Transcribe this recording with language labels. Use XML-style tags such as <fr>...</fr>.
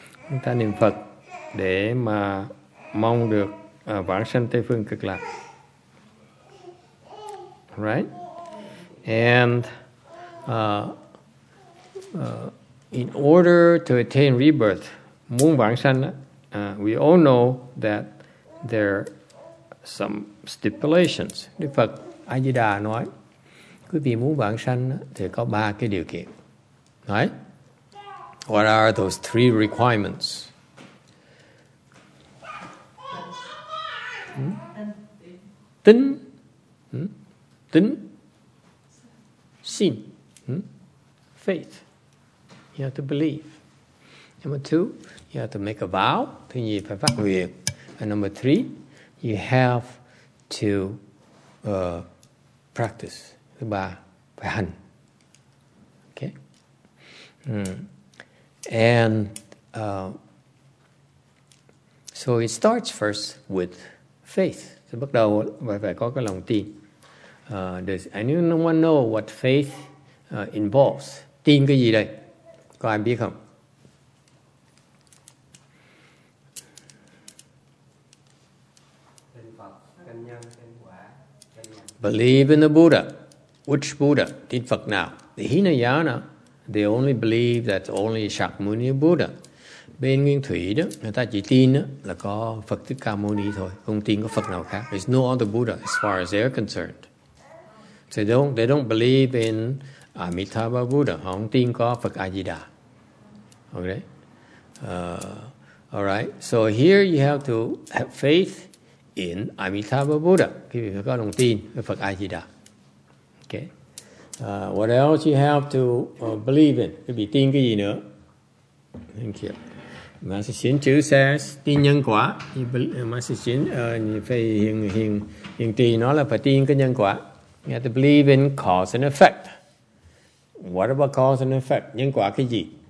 <vi>Chúng ta niệm Phật để mà mong được vãng sanh Tây Phương Cực Lạc.</vi> <en>Right, and in order to attain rebirth,</en> <vi>muốn vãng sanh,</vi> <en>we all know that there are some stipulations.</en> <vi>Đức Phật A Di Đà nói, quý vị muốn vãng sanh thì có ba cái điều kiện.</vi> <en>Right? What are those three requirements? Tính. Tính, xin, faith, you have to believe. Number two, you have to make a vow.</en> <vi>Thứ nhì, phải phát nguyện.</vi> <en>And number three, you have to practice.</en> <vi>Thứ ba, phải hành. Okay?</vi> <en>And so it starts first with faith.</en> <vi>So bắt đầu phải có cái lòng tin.</vi> <en>Does anyone know what faith involves?</en> <vi>Tin cái gì đây? Có ai biết không?</vi> <en>Believe in the Buddha. Which Buddha?</en> <vi>Tin Phật nào?</vi> <en>The Hinayana, they only believe that only Shakyamuni Buddha.</en> <vi>Bên Nguyên Thủy đó, người ta chỉ tin đó, là có Phật Thích Ca Mâu Ni thôi. Không tin có Phật nào khác.</vi> <en>There's no other Buddha as far as they're concerned. So they don't believe in Amitabha Buddha.</en> <vi>Họ không tin có Phật A Di Đà.</vi> <en>Okay. All right. So here you have to have faith in Amitabha Buddha.</en> <vi>Quý vị phải có lòng tin với Phật A Di Đà.</vi> <en>Okay. What else you have to believe in?</en> <vi>Quý vị tin cái gì nữa?</vi> <en>Thank you. Master Xin Chữ says</en> <vi>tin nhân quả. Master Xin phải hiện tin nó là phải tin cái nhân quả.</vi> <en>You have to believe in cause and effect. What about cause and effect?</en> <vi>Nhân quả cái gì?</vi>